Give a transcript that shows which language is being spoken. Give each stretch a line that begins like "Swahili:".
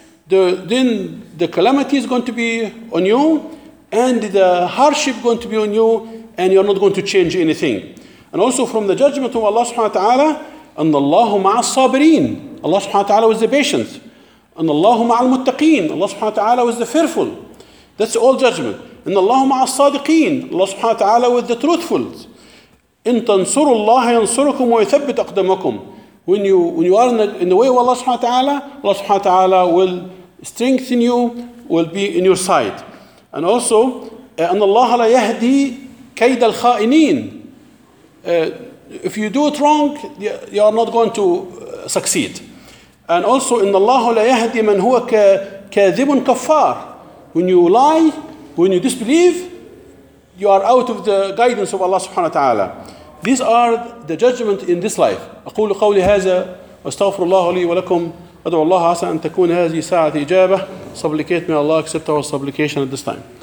English: Then the calamity is going to be on you, and the hardship going to be on you, and you're not going to change anything. And also from the judgment of Allah subhanahu wa ta'ala,
Arabic: أن الله مع الصابرين.
English: Allah subhanahu wa ta'ala was the patient.
Arabic: أن الله مع المتقين.
English: Allah subhanahu wa ta'ala was the fearful. That's all judgment.
Arabic: أن الله مع الصادقين.
English: Allah subhanahu wa ta'ala was the truthful.
Arabic: إن تنصروا الله ينصركم ويثبت أقدامكم.
English: When you are in the way of Allah subhanahu wa ta'ala, Allah subhanahu wa ta'ala will strengthen you, will be in your side. And also,
Arabic: أن الله لا يهدي كيد الخائنين.
English: If you do it wrong, you are not going to succeed. And also,
Arabic: إن الله لا يهدي من هو كاذب كفار.
English: When you lie, when you disbelieve, you are out of the guidance of Allah subhanahu wa ta'ala. These are the judgment in this life.
Arabic: أقول قولي هذا واستغفر الله لي ولكم. أدعو الله عسى أن تكون هذه ساعة إجابة.
English: Supplicate may Allah accept our supplication at this time.